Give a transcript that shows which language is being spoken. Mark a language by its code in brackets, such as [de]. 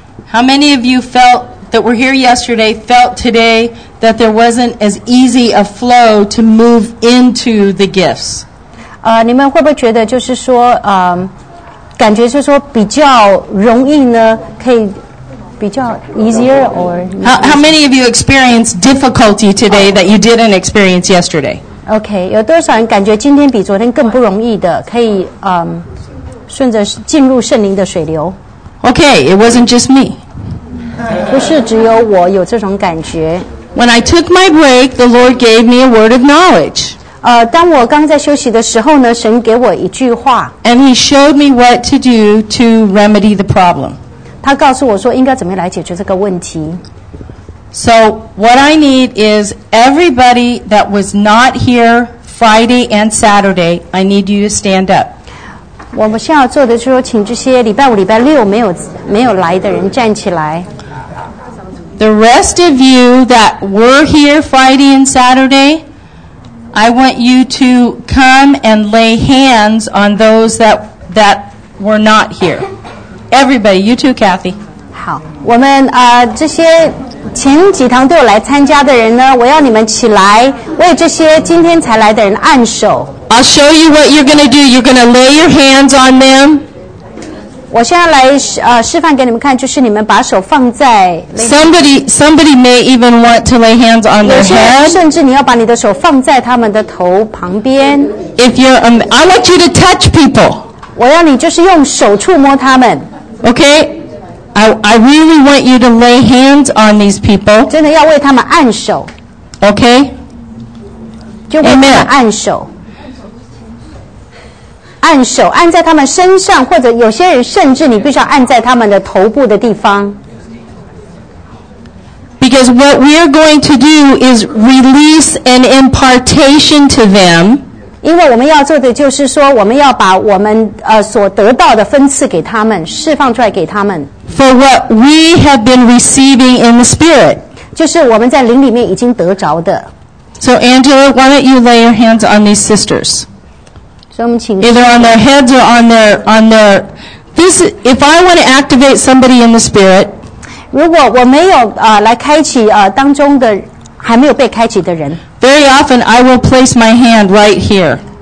[en] How many of you felt that were here yesterday felt today that there wasn't as easy a flow to move into the gifts? [zh] 你们会不会觉得就是说，感觉就是说比较容易呢？可以比较 [en] easier or how many of you experienced difficulty today that you didn't experience yesterday? [zh] Okay, 有多少人感觉今天比昨天更不容易的？可以顺着进入圣灵的水流。 [en] Okay, it wasn't just me. [zh] 不是只有我有这种感觉。 [en] When I took my break, the Lord gave me a word of knowledge. [zh] 当我刚在休息的时候呢，神给我一句话。 [en] And He showed me what to do to remedy the problem. [zh] 他告诉我说应该怎么来解决这个问题。 [en] So what I need is everybody that was not here Friday and Saturday, I need you to stand up. [zh] 我们现在要做的就是说请这些礼拜五礼拜六没有来的人站起来。 [en] The rest of you that were here Friday and Saturday, I want you to come and lay hands on those that were not here. Everybody, you too, Kathy. [zh] 好，我们这些前几堂都有来参加的人呢，我要你们起来为这些今天才来的人按手。 [en] I'll show you what you're going to do. You're going to lay your hands on them. [zh] 我现在来示范给你们看，就是你们把手放在 [en] Somebody may even want to lay hands on their head. [zh] 甚至你要把你的手放在他们的头旁边。 [en] If you're, I want you to touch people. [zh] 我要你就是用手触摸他们。 [en] Okay. I really want you to lay hands on these people. [zh] 真的要为他们按手。 [en] Okay. [zh] 就为他们按手。 [en] Amen. [zh] 按手按在他们身上或者有些人甚至你必须要按在他们的头部的地方 [en] Because what we are going to do is release an impartation to them [zh] 因为我们要做的就是说我们要把我们所得到的分赐给他们释放出来给他们 [en] For what we have been receiving in the spirit [zh] 就是我们在灵里面已经得着的 [en] So Angela, why don't you lay your hands on these sistersEither on their heads or on their. This, if I want to activate somebody in the spirit, [zh] 如果我没有来开启当中的还没有被开启的人 [en] very often I will place my hand right here.